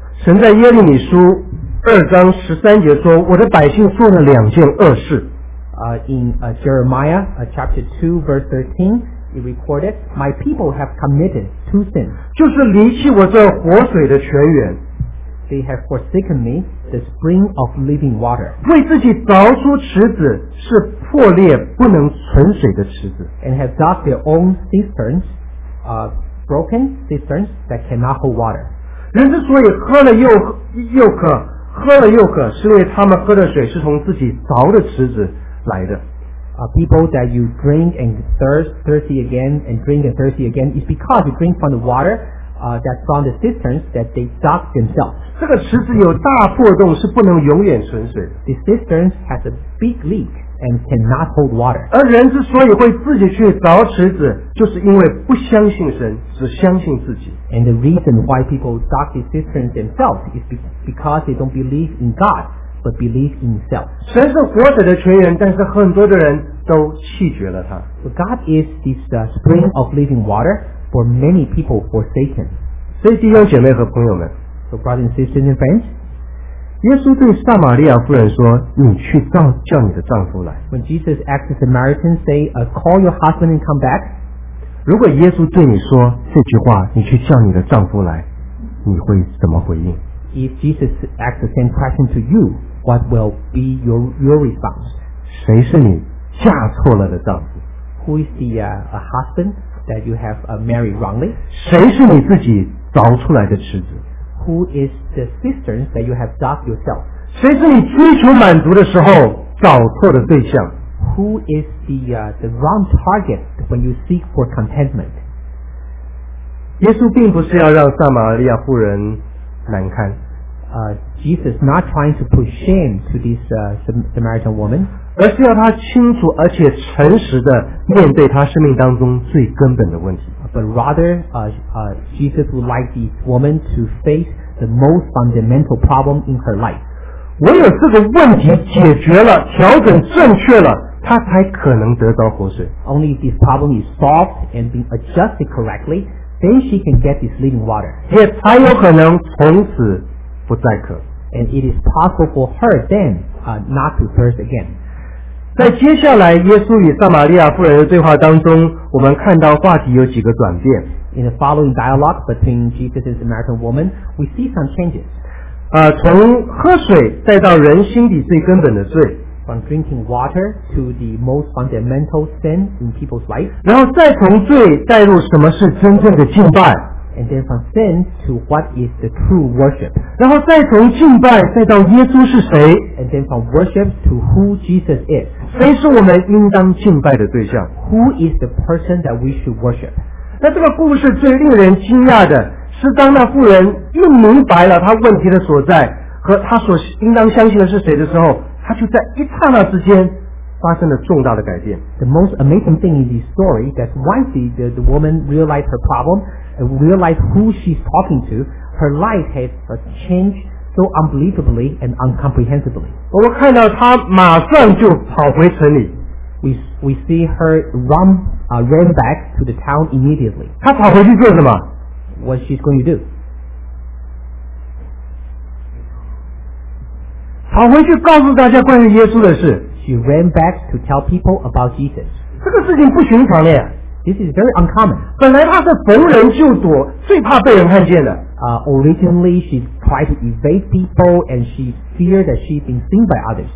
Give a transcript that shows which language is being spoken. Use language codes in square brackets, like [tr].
[zh] 神在耶利米书二章十三节说，我的百姓做了两件恶事。 [en] In Jeremiah chapter 2 verse 13 it recorded, my people have committed two sins. [zh] 就是离弃我这活水的泉源。 [en] They have forsaken me, the spring of living water. [zh] 为自己凿出池子，是破裂不能存水的池子。 [en] And have dug their own cisterns, broken cisterns that cannot hold water. [zh] 人之所以喝了又渴喝了又渴，是因为他们喝的水是从自己凿的池子来的。 [en] People that you drink and thirsty again and drink and thirsty again is because you drink from the water that's from the cisterns that they dug themselves. [zh] 这个池子有大破洞，是不能永远存水。 [en] The cisterns has a big leak and cannot hold water. [zh] 而人之所以会自己去凿池子，就是因为不相信神，只相信自己。 [en] And the reason why people dug the cisterns themselves is because they don't believe in God, but believe in self. [zh] 神是活水的泉源，但是很多的人都弃绝了他。 [en] So God is this spring of living water, for many people forsaken. [zh] 所以弟兄姐妹和朋友们， [en] So brothers and sisters and friends, [zh] 耶稣对撒玛利亚夫人说，你去叫你的丈夫来。 [en] When Jesus asked the Samaritan, say, call your husband and come back. [zh] 如果耶稣对你说这句话，你去叫你的丈夫来，你会怎么回应？ [en] If Jesus asked the same question to you, what will be your response? [zh] 谁是你嫁错了的丈夫？ [en] Who is the husband that you have married wrongly? [zh] 谁是你自己凿出来的池子？ [en] Who is the cisterns that you have dug yourself? [zh] 谁是你追求满足的时候找错的对象？ [en] Who is the wrong target when you seek for contentment? [zh] 耶稣并不是要让撒玛利亚妇人难堪。 [en] Jesus is not trying to put shame to this Samaritan woman. [zh] 而是要他清楚而且诚实地面对他生命当中最根本的问题。 [en] But rather, Jesus would like this woman to face the most fundamental problem in her life. [zh] 唯有这个问题解决了，调整正确了，她才可能得到活水。 [en] Only if this problem is solved and being adjusted correctly, then she can get this living water. [zh] 也才有可能从此不再渴。 [en] And it is possible for her then, not to thirst again. [zh] 在接下来耶稣与撒玛利亚妇人的对话当中，我们看到话题有几个转变。 [en] In the following dialogue between Jesus and the Samaritan woman, we see some changes. [zh] 从喝水再到人心底最根本的罪， [en] From drinking water to the most fundamental sin in people's life. [zh] 然后再从罪带入什么是真正的敬拜， [en] And then from sin to what is the true worship. [zh] 然后再从敬拜再到耶稣是谁， [en] And then from worship to who Jesus is. [zh] 谁是我们应当敬拜的对象？ [en] Who is the person that we should worship? [zh] 那这个故事最令人惊讶的是，当那妇人又明白了她问题的所在和她所应当相信的是谁的时候，她就在一刹那之间发生了重大的改变。 [en] The most amazing thing in this story that once the woman realized her problem and realized who she's talking to, her life has changedSo unbelievably and uncomprehensibly. [zh] 我们看到她马上就跑回城里。 [en] We see her run back to the town immediately. [zh] 她跑回去做什么？ [en] What she's going to do? [zh] 跑回去告诉大家关于耶稣的事。 [en] She ran back to tell people about Jesus. [zh] 这个事情不寻常的呀。 [en] This is very uncommon. [zh] 本来她是逢人就躲，最怕被人看见的。 [en] Originally, she tried to evade people, and she feared that she's been seen by others.